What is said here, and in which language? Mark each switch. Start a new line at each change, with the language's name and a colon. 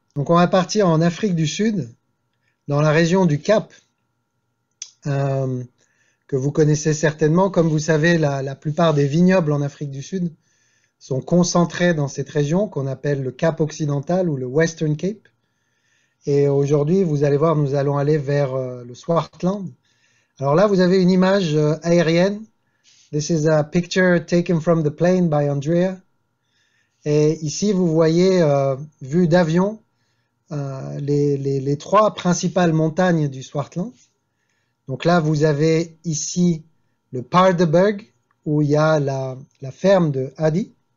French: Donc on va partir en Afrique du Sud, dans la région du Cap, que vous connaissez certainement. Comme vous savez, la plupart des vignobles en Afrique du Sud sont concentrés dans cette région qu'on appelle le Cap occidental ou le Western Cape. Et aujourd'hui, vous allez voir, nous allons aller vers le Swartland. Alors là, vous avez une image aérienne.
English: This is a picture taken from the plane by Andrea.
French: Et ici, vous voyez, vue d'avion, les trois principales montagnes du Swartland. Donc là, vous avez ici le Paardeberg, où il y a la ferme de Adi.